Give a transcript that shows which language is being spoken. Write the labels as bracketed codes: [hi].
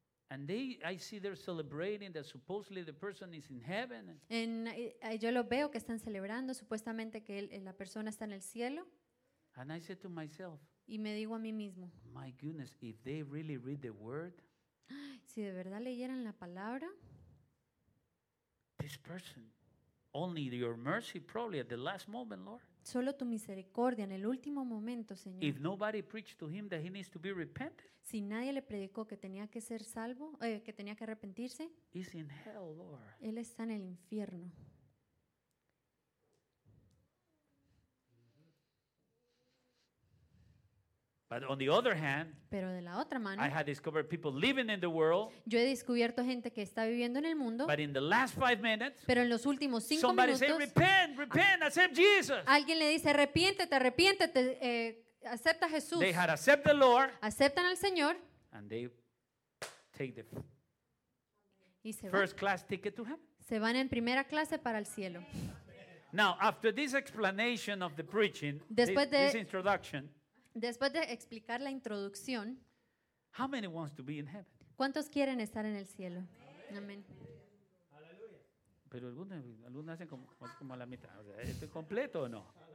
[en] And they, I see they're celebrating that supposedly the person is in heaven. [es] Yo lo veo que están celebrando, supuestamente que la persona está en el cielo. [en] And I said to myself. [es] Y me digo a mí mismo. [en] My goodness, if they really read the word. [es] Si de verdad leyeran la palabra. [en] This person, only your mercy, probably at the last moment, Lord. [es] Solo tu misericordia en el último momento, Señor. [en] If nobody preached to him that he needs to be repented. [es] Si nadie le predicó que tenía que ser salvo, que tenía que arrepentirse. [en] He's in hell, Lord. [es] Él está en el infierno. [en] But on the other hand, [es] pero de la otra mano, [en] I had discovered people living in the world. [es] Yo he descubierto gente que está viviendo en el mundo. [en] But in the last 5 minutes, [es] pero en los últimos 5 minutos, [en] somebody say, "Repent, repent, accept Jesus." [es] Alguien le dice, arrepiéntete, acepta a Jesús. [en] They had accepted the Lord. [es] Aceptan al Señor. [en] And they take the first class ticket to heaven. [es] Se van en primera clase para el cielo. [en] Now, after this explanation of the preaching, this introduction. [es] Después de explicar la introducción, [en] how many wants to be in heaven? [es] ¿Cuántos quieren estar en el cielo? Amén. Pero algunos hacen como la mitad. O sea, ¿esto es completo o no?